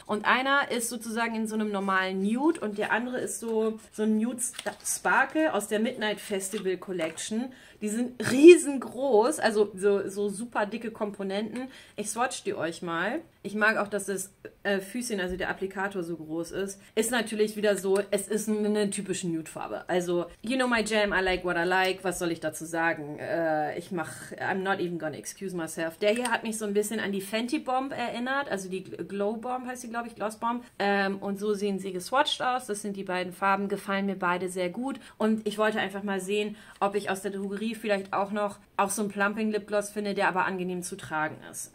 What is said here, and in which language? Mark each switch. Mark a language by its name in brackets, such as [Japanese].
[German] Und einer ist sozusagen in so einem normalen Nude und der andere ist so ein Nude Sparkle aus der Midnight Festival Collection. Die sind riesengroß, also so super dicke Komponenten. Ich swatch die euch mal. Ich mag auch, dass das Füßchen, also der Applikator, so groß ist. Ist natürlich wieder so, es ist eine typische Nude-Farbe. [English] Also, you know my jam, I like what I like. [German] Was soll ich dazu sagen? [English] I'm not even gonna excuse myself. [German] Der hier hat mich so ein bisschen an die Fenty Bomb erinnert. Also die Glow Bomb heißt die, glaube ich, Gloss Bomb. Und so sehen sie geswatcht aus. Das sind die beiden Farben. Gefallen mir beide sehr gut. Und ich wollte einfach mal sehen, ob ich aus der Drogerie vielleicht auch noch auch so einen Plumping Lipgloss finde, der aber angenehm zu tragen ist.